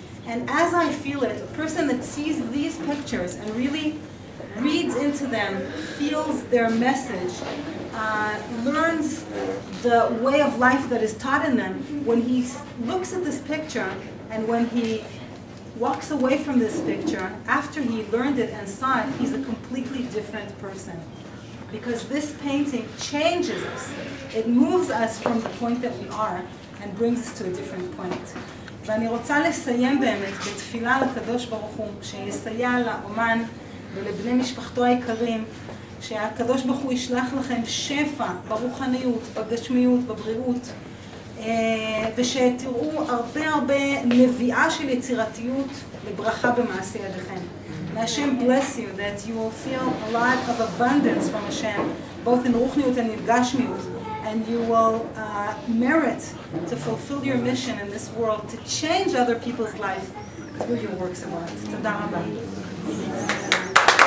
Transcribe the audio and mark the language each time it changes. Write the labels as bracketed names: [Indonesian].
[English] And as I feel it, a person that sees these pictures and really reads into them, feels their message, learns the way of life that is taught in them, when he looks at this picture and when he walks away from this picture, after he learned it and saw it, he's a completely different person. Because this painting changes us. It moves us from the point that we are and brings us to a different point. [Hebrew] ואני רוצה לסיים באמת בתפילה לקדוש ברוך הוא, שיסייע לאומן ולבני משפחתו העיקרים, שהקדוש ברוך הוא ישלח לכם שפע ברוחניות, בגשמיות, בבריאות, ושתראו הרבה הרבה נביאה של יצירתיות לברכה במעשי ידיכם. [English] May Hashem bless you, that you will feel a lot of abundance from Hashem, both in ruchniut and in gashmiut, and you will merit to fulfill your mission in this world, to change other people's lives through your works of art. [Hebrew] Tada rabba.